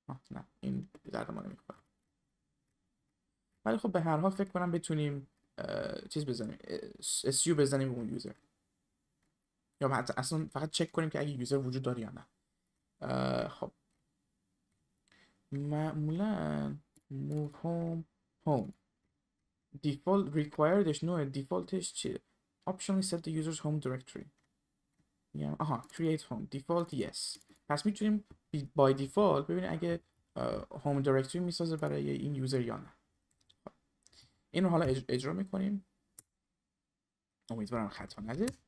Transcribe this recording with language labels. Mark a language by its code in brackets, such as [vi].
[fa] نه این در ما نمیخواد، ولی خب به هر حال فکر کنم بتونیم چیز بزنیم، SU بزنیم به اون یوزر، یا حتی اصلا فقط چک کنیم که اگه یوزر وجود داره یا نه. خب معمولا move home default requiredش نوع دیفالتش چیه؟ [en] optionally set the user's home directory. [fa] آها [en] create home default yes. [fa] پس میتونیم by default ببینیم اگه home directory میسازه برای این یوزر یا نه. این رو حالا اجرا میکنیم، امیدوارم خطا نده.